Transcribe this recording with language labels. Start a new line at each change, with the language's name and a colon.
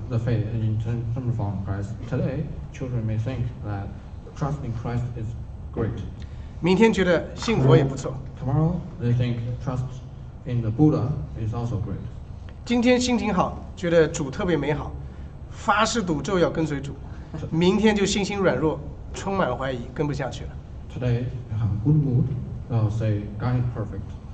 English: In terms of following Christ today, children may think that trusting Christ is great.
Chinese: 明天觉得信佛也不错。
English: Tomorrow they think trust in the Buddha is also great.
Chinese: 今天心情好，觉得主特别美好，发誓赌咒要跟随主。明天就信心软弱，充满怀疑，跟不下去了。
English: Today you have good mood, say God is perfect.